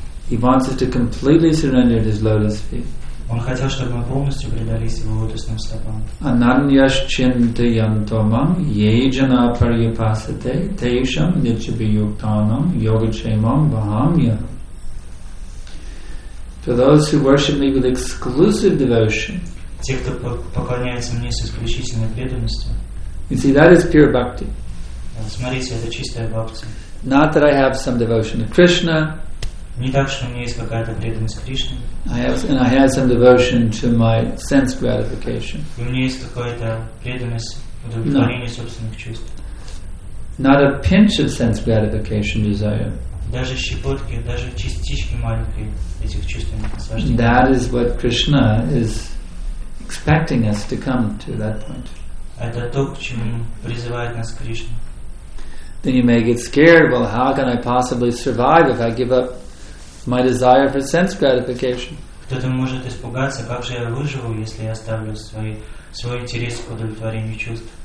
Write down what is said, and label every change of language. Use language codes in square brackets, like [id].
[en] He wants us to completely surrender his lotus feet. [ru] Он хотел, чтобы мы полностью предались его лотосным стопам. [sa] Ананьяш чинтаянтомам ейджана парьяпасате тейшам ничабиюктанам йогачемам вахамья. [en] For those who worship me with exclusive devotion, [ru] те, кто поклоняется мне с исключительной преданностью, [en] you see, that is pure bhakti. [ru] Смотрите, это чистая бхакти. [en] Not that I have some devotion to Krishna, [ru] не так, что у меня есть какая-то преданность Кришне. [en] I have some devotion to my sense gratification. [ru] И у меня есть какая-то преданность удовлетворению собственных чувств. [en] Not a pinch of sense gratification desire. [ru] Даже щепотки, даже частички маленькой этих чувственных наслаждений. [en] That is what Krishna is expecting us to come to that point. [ru] Это то, к чему призывает нас Кришна. [en] Then you may get scared. Well, how can I possibly survive if I give up my desire for sense gratification? [ru] Кто-то может испугаться, как же я выживу, если я оставлю свой интерес к удовлетворению чувств.